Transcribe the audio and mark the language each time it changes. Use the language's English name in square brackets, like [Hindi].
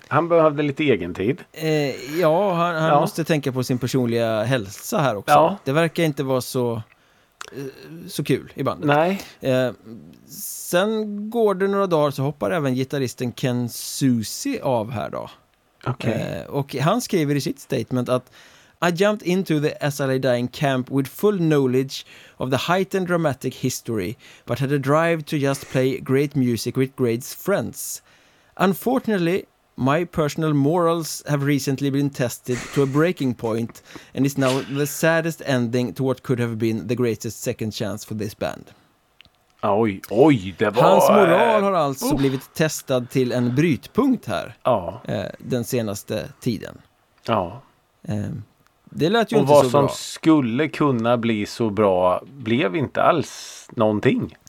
[Swedish] Han behövde lite egen tid. Ja, han måste tänka på sin personliga hälsa här också. Ja. Det verkar inte vara så kul i bandet. Nej. Sen går det några dagar så hoppar även gitarristen Ken Susie av här då. Okay. Och han skriver i sitt statement att [English] I jumped into the As I Lay Dying camp with full knowledge of the heightened dramatic history, but had a drive to just play great music with great friends. Unfortunately, my personal morals have recently been tested to a breaking point and is now the saddest ending to what could have been the greatest second chance for this band. [Swedish] Oj, oj, det var... Hans moral har alltså blivit testad till en brytpunkt här den senaste tiden. Ja. Det lät ju och inte vad så som bra. Skulle kunna bli så bra blev inte alls någonting.